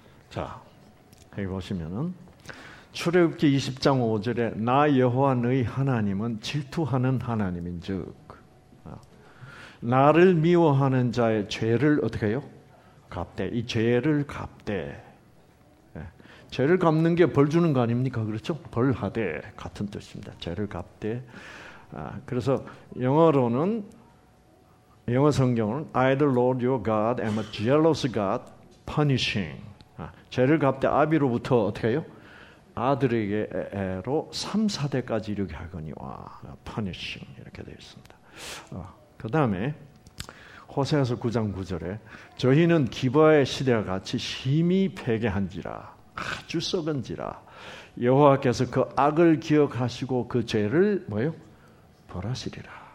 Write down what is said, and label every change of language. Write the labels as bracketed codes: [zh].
[ko] 자, 여기 보시면은 출애굽기 20장 5절에 나 여호와의 하나님은 질투하는 하나님인즉 나를 미워하는 자의 죄를 어떻게 해요? 갚대. 이 죄를 갚대. 죄를 갚는 게 벌 주는 거 아닙니까? 그렇죠? 벌하대 같은 뜻입니다. 죄를 갚대. [en] 그래서 영어로는 영어 성경은 I the Lord your God am a jealous God punishing. [ko] 죄를 갚대 아비로부터 어떻게 해요? 아들에게로 3-4대까지 이렇게 하거니와 punishing 이렇게 되어 있습니다. 그 다음에 호세아서 9장 9절에 저희는 기브아의 시대와 같이 심히 패괴한지라 아주 썩은지라 여호와께서 그 악을 기억하시고 그 죄를 뭐요? 벌하시리라.